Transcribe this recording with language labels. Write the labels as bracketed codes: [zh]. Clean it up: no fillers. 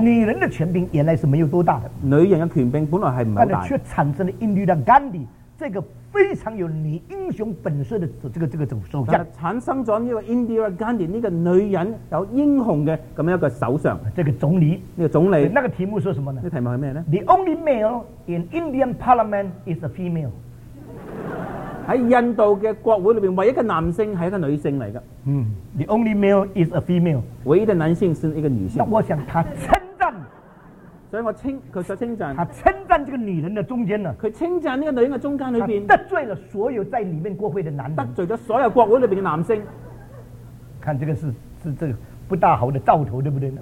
[zh] 女人的权柄原来是没有多大的，女人的权柄本来是不大，但却产生了印第拉甘地这个非常有女英雄本色的这个首相，产生了这个 Indira Gandhi 这个女人有英雄的这么一个首相，这个总理，这个总理，那个题目是什么呢？这题目是什么呢？ [en] The only male in Indian parliament is a female。 [zh] 在印度的国会里面唯一的男性是一个女性来的， [en] The only male is a female， [zh] 唯一的男性是一个女性。那我想他称赞，所以我称他所称赞，他称赞这个女人的中间呢，他称赞这个女人的中间里面，得罪了所有在里面国会的男人，得罪了所有国会里面的男性。看这个是这个不大好的兆头，对不对？